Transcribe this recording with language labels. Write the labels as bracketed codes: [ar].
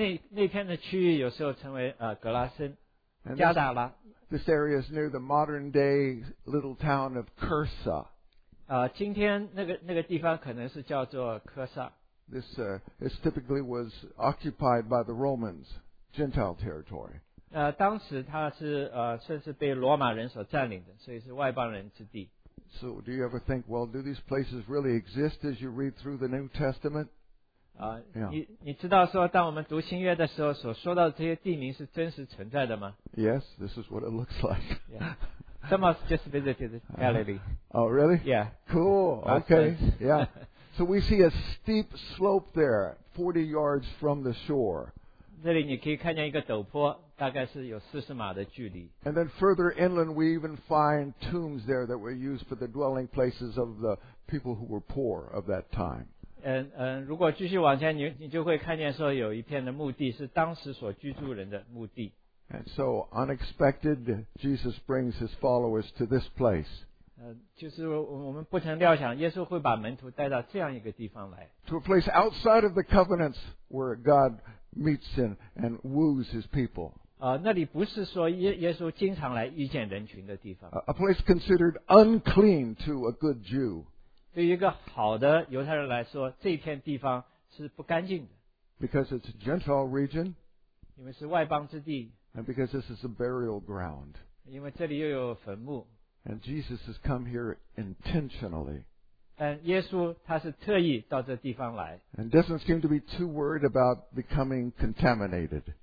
[zh] 那片的区域有时候称为格拉森，加达拉。 [en] This area is near the modern-day little town of Kursa. [zh] 今天那个地方可能是叫做科萨。 [en] This is typically was occupied by the Romans, Gentile territory. [zh] 当时它是算是被罗马人所占领的，所以是外邦人之地。 [en] So do you ever think, well, do these places really exist as you read through the New Testament? [zh] 你知道说当我们读新约的时候所说到的这些地名是真实存在的吗？ [en] Yes, this is what it looks like. Yeah. Some of us just visited Galilee. Oh, really? Yeah. Cool. Okay. Yeah. So we see a steep slope there, 40 yards from the shore. [zh] 这里你可以看见一个陡坡。大概是有40码的距离。 [en] And then further inland, we even find tombs there that were used for the dwelling places of the people who were poor of that time. [zh] 如果继续往前，你就会看见说有一片的墓地是当时所居住人的墓地。 [en] And so unexpected, Jesus brings his followers to this place. [zh] 就是我们不曾料想，耶稣会把门徒带到这样一个地方来。 [en] To a place outside of the covenants where God meets and woos his people. [zh] 那里不是说耶稣经常来遇见人群的地方。 [en] A place considered unclean to a good Jew. [zh] 对于一个好的犹太人来说，这片地方是不干净的。 [en] Because it's a Gentile region. [zh] 因为是外邦之地。 [en] And because this is a burial ground. [zh] 因为这里又有坟墓。 [en] And Jesus has come here intentionally. [zh] 但耶稣他是特意到这地方来。 [en] And doesn't seem to be too worried about becoming contaminated.